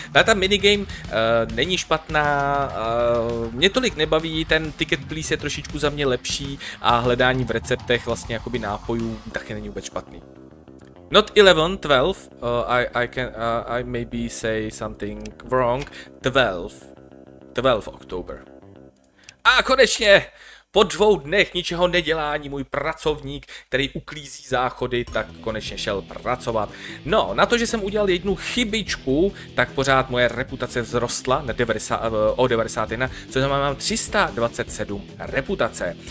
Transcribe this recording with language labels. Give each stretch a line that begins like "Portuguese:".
Czech: Tady ta minigame není špatná, mě tolik nebaví, ten Ticket Please je trošičku za mě lepší a hledání v receptech vlastně jakoby nápojů taky není vůbec špatný.
English: Not 11, 12, I maybe say something wrong, 12 October.
Czech: A konečně! Po dvou dnech ničeho nedělání můj pracovník, který uklízí záchody, tak konečně šel pracovat. No, na to, že jsem udělal jednu chybičku, tak pořád moje reputace vzrostla o 91, což znamená, mám 327 reputace.